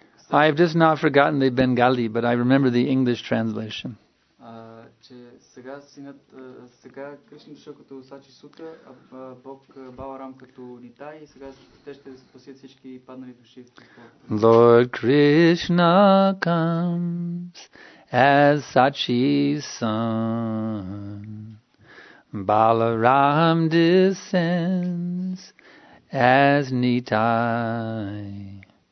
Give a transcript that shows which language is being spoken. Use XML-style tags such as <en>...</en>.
<en>I have just now forgotten the Bengali, but I remember the English translation.</en> <bg>Че сега синът, сега Кришна като Сачи Сута, а Бог Баларам като Нитай, и сега те ще спасят всички паднали души.</bg> <en>Lord Krishna comes as Sachi's son. Balaram descends as Nitai.</en>